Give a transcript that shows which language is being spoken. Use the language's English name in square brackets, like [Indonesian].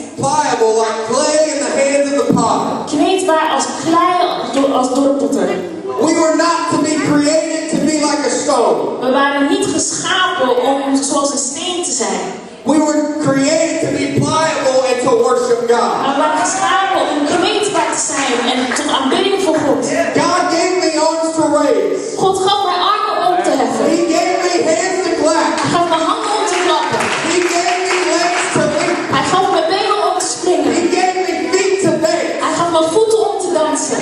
[English] Pliable like clay in the hands of the potter. [Dutch] Kneedbaar als klei door de potter. [English] We were not to be created to be like a stone. [Dutch] We waren niet geschapen om zoals een steen te zijn. [English] We were created to be pliable and to worship God. [Dutch] We waren geschapen om kneedbaar te zijn en tot aanbidding voor God. [English] God gave me arms to raise. [Dutch] God gaf mij armen om te heffen. [English] He gave me hands to clap. [Dutch] Hij gaf me handen om te klappen. [English] He gave me legs to leap. [Dutch] Hij gaf me benen om te springen. [English] He gave me feet to dance. [Dutch] Hij gaf me voeten om te dansen.